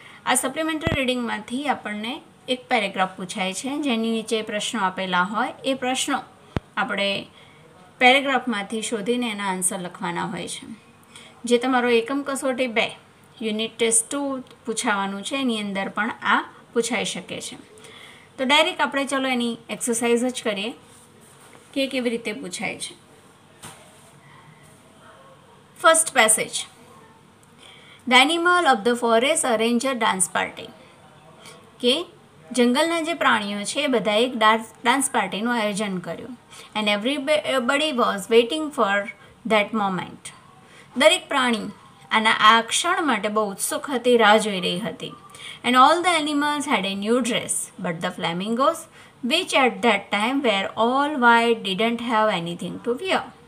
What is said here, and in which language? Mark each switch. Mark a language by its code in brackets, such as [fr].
[gu] આ સપ્લિમેન્ટરી રીડિંગમાંથી આપણને એક પેરેગ્રાફ પૂછાય છે, જેની નીચે પ્રશ્નો આપેલા હોય, એ પ્રશ્નો આપણે પેરેગ્રાફમાંથી શોધીને એના આન્સર લખવાના હોય છે. જે તમારો એકમ કસોટી 2 યુનિટ ટેસ્ટ 2 પૂછાવાનું છે, એની અંદર પણ આ પૂછાઈ શકે છે. તો ડાયરેક્ટ આપણે ચલો એની એક્સરસાઇઝ જ કરીએ કે કેવી રીતે પૂછાય છે. [en] First passage. The animal of the forest arrange a dance party. [gu] કે જંગલના જે પ્રાણીઓ છે એ બધાએ એક ડાન્સ પાર્ટીનું આયોજન કર્યું. [en] And everybody was waiting for that moment. [gu] દરેક પ્રાણી આના આ ક્ષણ માટે બહુ ઉત્સુક હતી, રાહ જોઈ રહી હતી. [en] And all the animals had a new dress, but the flamingos which at that time were all white didn't have anything to wear.